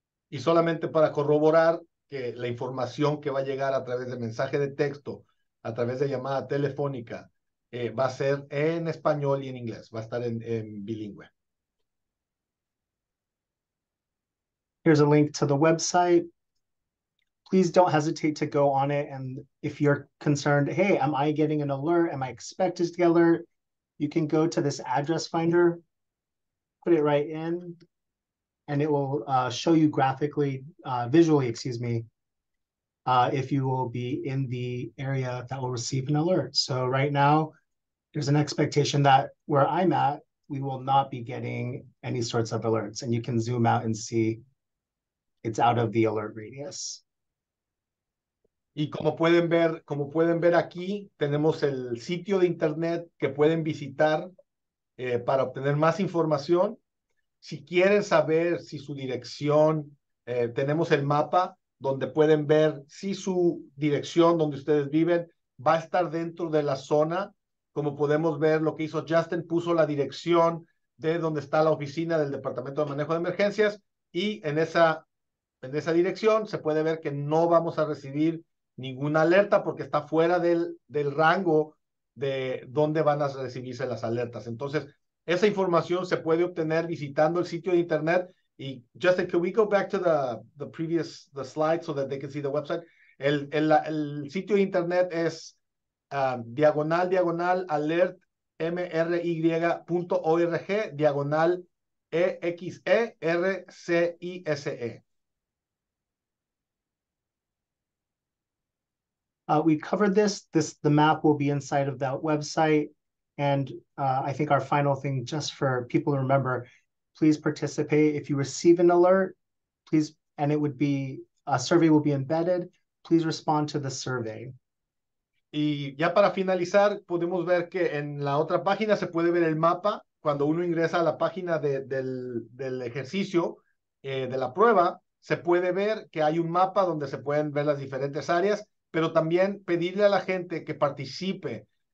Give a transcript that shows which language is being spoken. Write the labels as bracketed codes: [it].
[es] Y solamente para corroborar que la información que va a llegar a través de mensaje de texto, a través de llamada telefónica, va a ser en español y en inglés, va a estar en bilingüe. [en] Here's a link to the website. Please don't hesitate to go on it. And if you're concerned, hey, am I getting an alert? Am I expected to get an alert? You can go to this address finder, put it right in, and it will show you graphically, visually, excuse me, if you will be in the area that will receive an alert. So right now, there's an expectation that where I'm at, we will not be getting any sorts of alerts. And you can zoom out and see it's out of the alert radius. [es] Y como pueden ver aquí, tenemos el sitio de internet que pueden visitar para obtener más información. Si quieren saber si su dirección, tenemos el mapa donde pueden ver si su dirección donde ustedes viven va a estar dentro de la zona. Como podemos ver, lo que hizo Justin, puso la dirección de donde está la oficina del Departamento de Manejo de Emergencias, y en esa dirección se puede ver que no vamos a recibir ninguna alerta porque está fuera del rango de dónde van a recibirse las alertas. Entonces, esa información se puede obtener visitando el sitio de internet. [en] Y Justin, can we go back to the previous the slide so that they can see the website? [es] El sitio de internet es /alertmry.org/exercise. [en] We covered this, the map will be inside of that website. And I think our final thing, just for people to remember, please participate. If you receive an alert, please, and it would be, a survey will be embedded, please respond to the survey. [es] Y ya para finalizar, podemos ver que en la otra página se puede ver el mapa. Cuando uno ingresa a la página del ejercicio, de la prueba, se puede ver que hay un mapa donde se pueden ver las diferentes áreas, pero también pedirle a la gente que participe.